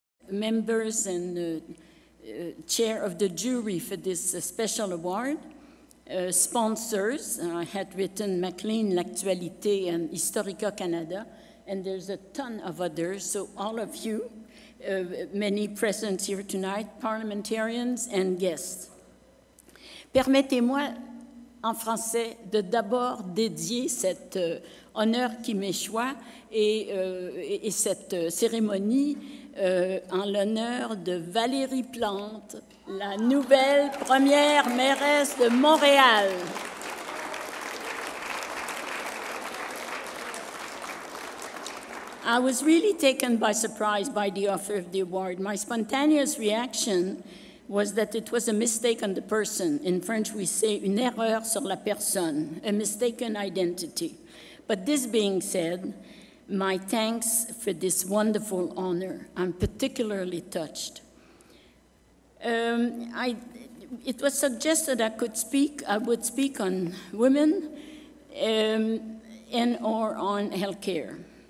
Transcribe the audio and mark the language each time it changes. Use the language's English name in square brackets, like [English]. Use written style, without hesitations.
[English] members and chair of the jury for this special award. Sponsors, I had written Maclean, L'Actualité, and Historica Canada, and there's a ton of others, so all of you, many present here tonight, parliamentarians and guests. [French] Permettez-moi, en français, de d'abord dédier cet honneur qui m'échoit et cette cérémonie en l'honneur de Valérie Plante, la nouvelle première mairesse de Montréal. [English] I was really taken by surprise by the offer of the award. My spontaneous reaction was that it was a mistake on the person. In French, we say [French] une erreur sur la personne, [English] a mistaken identity. But this being said, my thanks for this wonderful honor. I'm particularly touched. It was suggested I could speak, I would speak on women and or on healthcare.